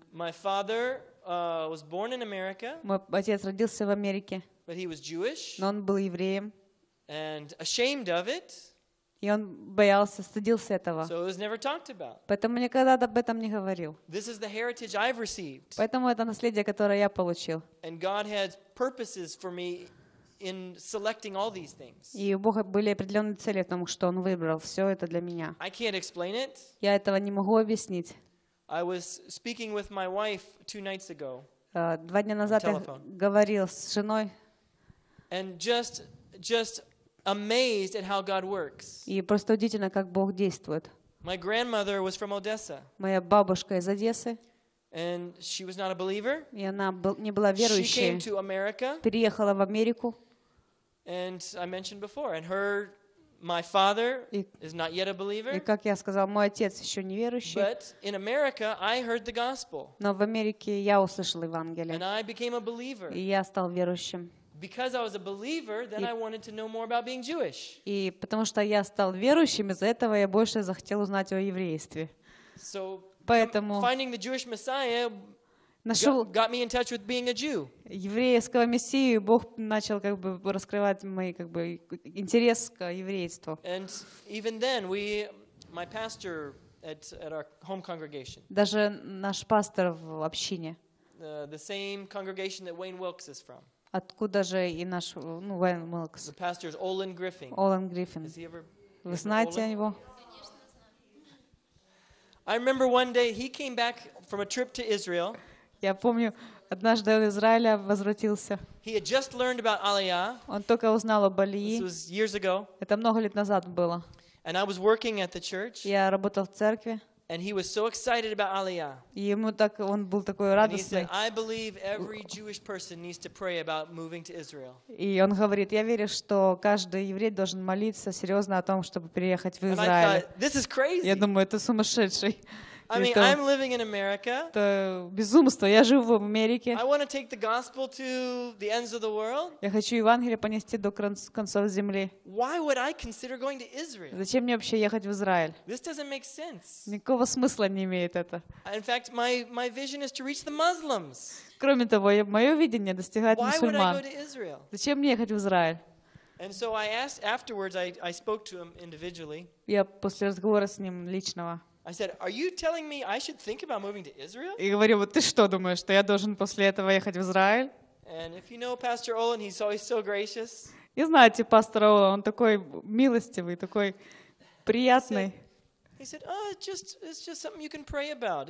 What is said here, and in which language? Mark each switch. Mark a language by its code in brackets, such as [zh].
[en] My father, was born in America, [ru] мой отец родился в Америке, [en] but he was Jewish, [ru] но он был евреем. [en] And ashamed of it, [ru] и он боялся, стыдился этого. [en] So it was never talked about. [ru] Поэтому никогда об этом не говорил. [en] This is the heritage I've received. [ru] Поэтому это наследие, которое я получил. [en] And God had purposes for me in selecting all these things. [ru] И у Бога были определенные цели в том, что Он выбрал все это для меня. [en] I can't explain it. [ru] Я этого не могу объяснить. [en] I was speaking with my wife two nights ago. [ru] Два дня назад я говорил с женой. [en] And just amazed at how God works. [ru] И просто удивительно, как Бог действует. [en] My grandmother was from Odessa. [ru] Моя бабушка из Одессы. [en] And she was not a believer. [ru] И она не была верующей. [en] She came to America. [ru] Переехала в Америку. [en] And I mentioned before, and her, my father is not yet a believer. [ru] И как я сказал, мой отец еще не верующий. [en] But in America, I heard the gospel. [ru] Но в Америке я услышал Евангелие. [en] And I became a believer. [ru] И я стал верующим. [en] Because I was a believer, then I wanted to know more about being Jewish. [ru] И потому что я стал верующим, из-за этого я больше захотел узнать о еврействе. [en] So. [ru] Поэтому [en] finding the Jewish Messiah [ru] нашел [en] got me in touch with being a Jew. [ru] Еврейского мессию Бог начал как бы раскрывать мой как бы интерес к еврейству. [en] And even then, my pastor at our home congregation. [ru] Даже наш пастор в общине. [en] The same congregation that Wayne Wilkes is from. [ru] Откуда же и наш Wayne Wilkes? [en] The pastor is Olin Griffin. [ru] Olin Griffin. Вы знаете о него? [en] I remember one day he came back from a trip to Israel. [ru] Я помню, однажды он из Израиля возвратился. [en] He had just learned about Alia. [ru] Он только узнал об Алии. [en] This was years ago. [ru] Это много лет назад было. [en] And I was working at the church. [ru] Я работал в церкви. [en] And he was so excited about Aliyah. [ru] И ему так он был такой радостный. [en] And he said, "I believe every Jewish person needs to pray about moving to Israel." [ru] И он говорит, я верю, что каждый еврей должен молиться серьезно о том, чтобы переехать в Израиль. [en] And I thought, "This is crazy." [ru] Я думаю, это сумасшедший. [en] I mean, I'm living in America. [ru] Это безумство. Я живу в Америке. [en] I want to take the gospel to the ends of the world. [ru] Я хочу Евангелие понести до концов земли. [en] Why would I consider going to Israel? [ru] Зачем мне вообще ехать в Израиль? [en] This doesn't make sense. [ru] Никакого смысла не имеет это. [en] In fact, my vision is to reach the Muslims. [ru] Кроме того, мое видение достигать мусульман. [en] Why would I go to Israel? [ru] Зачем мне ехать в Израиль? [en] And so I asked afterwards. I spoke to him individually. [ru] Я после разговора с ним личного. [en] I said, "Are you telling me I should think about moving to Israel?" [ru] И говорю, вот ты что думаешь, что я должен после этого ехать в Израиль? [en] And if you know Pastor Olin, he's always so gracious. [ru] И знаете, пастор Олан, он такой милостивый, такой приятный. [en] He said, "Oh, it's just something you can pray about.